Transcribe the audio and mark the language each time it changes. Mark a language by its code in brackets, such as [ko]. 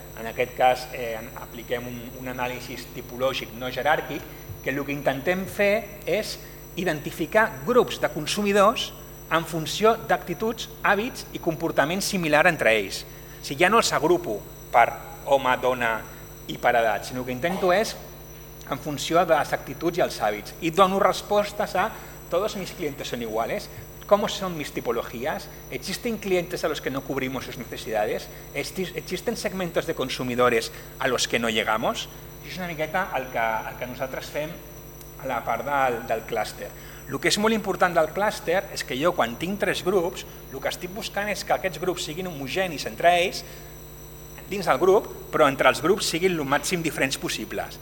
[ca] En aquest cas apliquem un anàlisi tipològic no jeràrquic, que el que intentem fer és identificar grups de consumidors en funció d'actituds, hàbits i comportaments similars entre ells. Si ja no els agrupo per home, dona i per edat, sinó que intento és en funció de les actituds i els hàbits. I dono respostes a [es] todos mis clientes son iguales, ¿cómo son mis tipologías? ¿Existen clientes a los que no cubrimos sus necesidades? ¿Existen segmentos de consumidores a los que no llegamos? [ca] Això és una miqueta el que nosaltres fem a la part del clúster. El que és molt important del clúster és que jo, quan tinc tres grups, el que estic buscant és que aquests grups siguin homogenis entre ells, dins del grup, però entre els grups siguin el màxim diferents possibles.